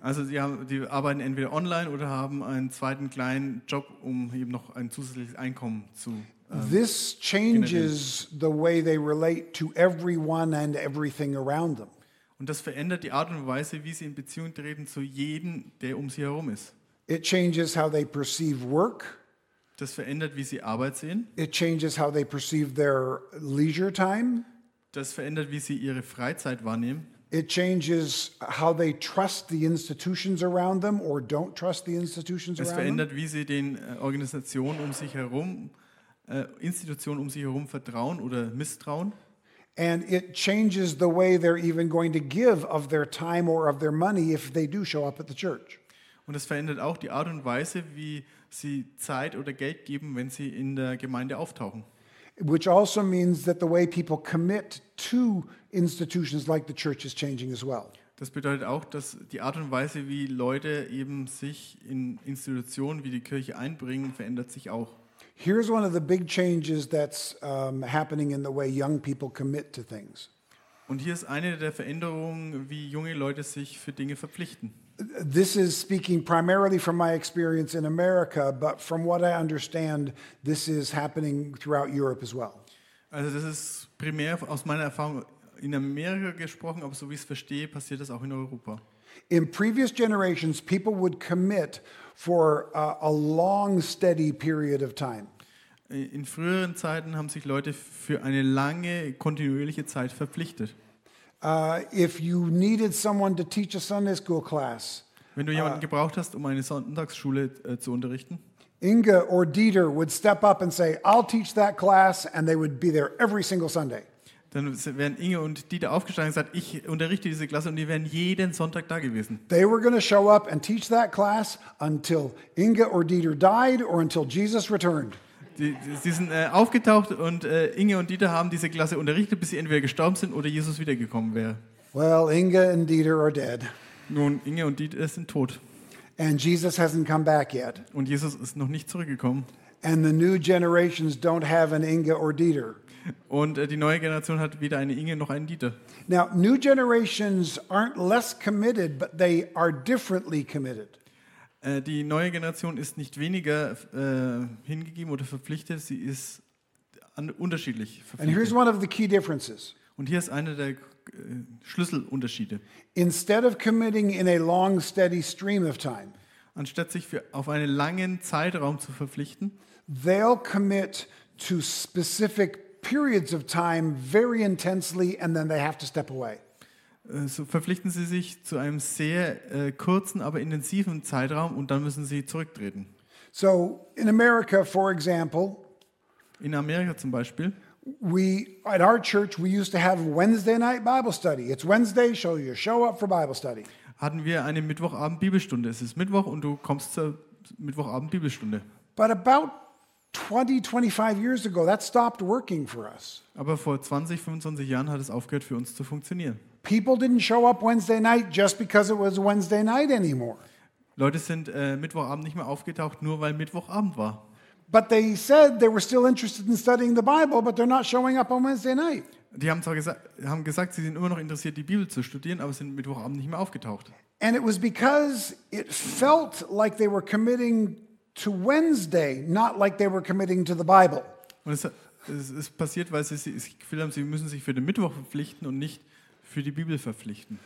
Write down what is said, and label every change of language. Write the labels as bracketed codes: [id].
[de] Also die arbeiten entweder online oder haben einen zweiten kleinen Job, um eben noch ein zusätzliches Einkommen zu [en] This changes [de] generieren. [en] The way they relate to everyone and everything around them. [de] Und das verändert die Art und Weise, wie sie in Beziehung treten zu jedem, der um sie herum ist. [en] It changes how they perceive work. [de] Das verändert, wie sie Arbeit sehen. [en] It changes how they perceive their leisure time. [de] Das verändert, wie sie ihre Freizeit wahrnehmen. [en] It changes how they trust the institutions around them or don't trust the institutions around them. [de] Es verändert, wie sie den Organisationen um sich herum, Institutionen um sich herum vertrauen oder misstrauen. [en] And it changes the way they're even going to give of their time or of their money if they do show up at the church. [de] Und es verändert auch die Art und Weise, wie sie Zeit oder Geld geben, wenn sie in der Gemeinde auftauchen. [en] Which also means that the way people commit to institutions like the church is changing as well. [de] Das bedeutet auch, dass die Art und Weise, wie Leute eben sich in Institutionen wie die Kirche einbringen, verändert sich auch. [en] Here's one of the big changes that's happening in the way young people commit to things. [de] Und hier ist eine der Veränderungen, wie junge Leute sich für Dinge verpflichten. [en] This is speaking primarily from my experience in America, but from what I understand, this is happening throughout Europe as well. [de] Also das ist primär aus meiner Erfahrung in Amerika gesprochen, aber so wie ich es verstehe, passiert das auch in Europa. [en] In previous generations, people would commit for a long, steady period of time. [de] In früheren Zeiten haben sich Leute für eine lange, kontinuierliche Zeit verpflichtet. [en] If you needed someone to teach a Sunday school class, [de] wenn du jemanden gebraucht hast, um eine Sonntagsschule zu unterrichten, [en] Inge or Dieter would step up and say, "I'll teach that class," and they would be there every single Sunday. [de] Dann wären Inge und Dieter aufgestanden und gesagt, ich unterrichte diese Klasse, und die wären jeden Sonntag da gewesen. [en] They were going to show up and teach that class until Inge or Dieter died or until Jesus returned. [de] Sie sind aufgetaucht und Inge und Dieter haben diese Klasse unterrichtet, bis sie entweder gestorben sind oder Jesus wiedergekommen wäre. [en] Well, Inge and Dieter are dead. [de] Nun, Inge und Dieter sind tot. [en] And Jesus hasn't come back yet. [de] Und Jesus ist noch nicht zurückgekommen. [en] And the new generations don't have an Inge or Dieter. [de] Und die neue Generation hat weder eine Inge noch einen Dieter. [en] Now, new generations aren't less committed, but they are differently committed. [de] Die neue Generation ist nicht weniger hingegeben oder verpflichtet, sie ist unterschiedlich verpflichtet. [en] And here's one of the key differences. [de] Und hier ist einer der Schlüsselunterschiede. [en] Instead of committing in a long, steady stream of time, [de] anstatt sich auf einen langen Zeitraum zu verpflichten, [en] they'll commit to specific periods of time very intensely and then they have to step away. [de] So verpflichten sie sich zu einem sehr kurzen, aber intensiven Zeitraum und dann müssen sie zurücktreten. [en] So in America, for example, [de] in Amerika zum Beispiel, [en] we at our church we used to have Wednesday night Bible study. It's Wednesday, so you show up for Bible study. [de] Hatten wir eine Mittwochabend Bibelstunde. Es ist Mittwoch und du kommst zur Mittwochabend Bibelstunde. [en] But about 20-25 years ago, that stopped working for us. [de] Aber vor 20-25 Jahren hat es aufgehört für uns zu funktionieren. [en] People didn't show up Wednesday night just because it was Wednesday night anymore. [de] Leute sind Mittwochabend nicht mehr aufgetaucht, nur weil Mittwochabend war. [en] But they said they were still interested in studying the Bible, but they're not showing up on Wednesday night. [de] Die haben zwar gesagt, sie sind immer noch interessiert, die Bibel zu studieren, aber sind Mittwochabend nicht mehr aufgetaucht. [en] And it was because it felt like they were committing to Wednesday, not like they were committing to the Bible. [de] Und es ist passiert, weil sie das Gefühl haben, sie müssen sich für den Mittwoch verpflichten und nicht für die Bibel verpflichten.